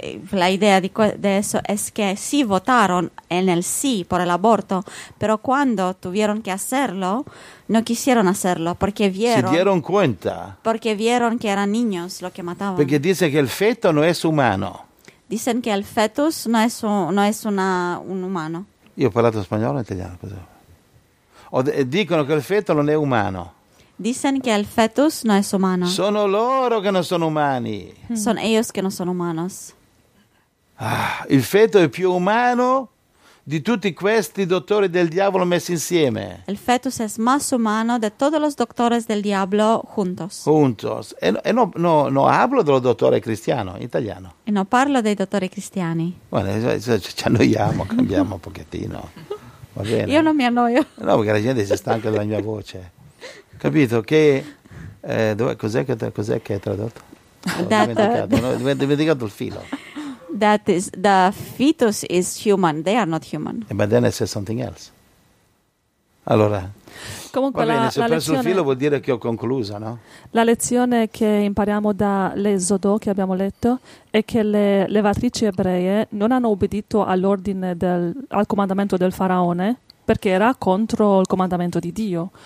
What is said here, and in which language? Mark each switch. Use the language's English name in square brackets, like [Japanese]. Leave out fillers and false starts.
[Italian] La idea di questo è che sì, [Spanish] votaron [Italian] nel sì per l'aborto, però quando [Spanish] tuvieron [Italian] che hacerlo, non [Spanish] quisieron hacerlo [Italian] perché vieron. [Spanish] Si dieron cuenta. [Italian] Perché [Spanish] vieron [Italian] che erano [Spanish] niños lo [Italian] che matavano. Perché dice che il feto non è umano. [Spanish] Dicen que el fetus no es un humano. [Italian] Io ho parlato spagnolo o italiano? Dicono che il feto non è umano. [Spanish] Dicen que el fetus no es humano. [Italian] Sono loro che non sono umani. [Spanish] Son ellos que no son humanos. [Italian] Ah, il feto è più umano di tutti questi dottori del diablo messi insieme. [Spanish] El fetus es más humano de todos los doctores del diablo juntos. Juntos. E no, no, no hablo [Italian] del dottore cristiano, italiano. E non parlo dei dottori cristiani. Bueno, ci annoiamo, cambiamo un pochettino. Va bene. Io non mi annoio. No, perché la gente si stanca della mia voce. Capito? Che cos'è che hai tradotto? Ho dimenticato il filo. [English] That is the fetus is human, they are not human. But then I said something else. [Italian] Allora, comunque va bene, la se ho perso il filo vuol dire che ho conclusa, no? La lezione che impariamo dall'Esodo che abbiamo letto è che le levatrici ebree non hanno obbedito all'ordine al comandamento del faraone perché era contro il comandamento di Dio.